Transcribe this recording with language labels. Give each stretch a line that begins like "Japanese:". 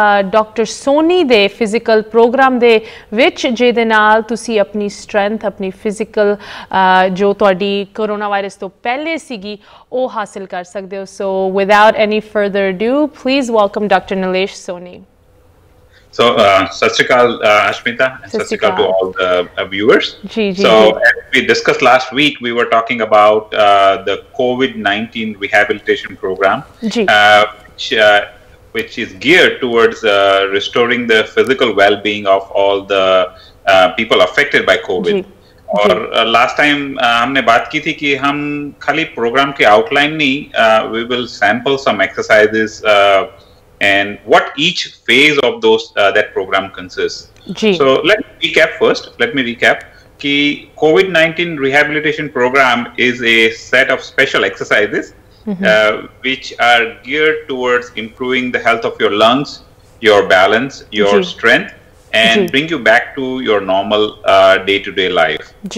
Punjabi: Doctor Soni ਦੇ physical programme ਦੇ ਵਿੱਚ ਜਿਹਦੇ ਨਾਲ ਤੁਸੀਂ ਆਪਣੀ ਸਟਰੈਂਥ ਆਪਣੀ ਫਿਜ਼ੀਕਲ ਜੋ ਤੁਹਾਡੀ ਕਰੋਨਾ ਵਾਇਰਸ ਤੋਂ ਪਹਿਲੇ ਸੀਗੀ ਉਹ ਹਾਸਿਲ ਕਰ ਸਕਦੇ ਹੋ ਸੋ without any further due please welcome doctor ਨਿਲੇਸ਼ Soni
English: So, Sat Sri Akal, Ashmita, and Sat Sri Akal to all the viewers. So, as we discussed last week, we were talking about the COVID-19 rehabilitation program, which is geared towards restoring the physical well-being of all the people affected by COVID.
Hindi: और last time हमने बात की थी कि हम खाली programme के outline नहीं,
English: we will sample some exercises. And what each phase of those that program consists. So let me recap first. Ki COVID-19 rehabilitation program is a set of special exercises which are geared towards improving the health of your lungs, your balance, your strength, and bring you back to your normal day-to-day life.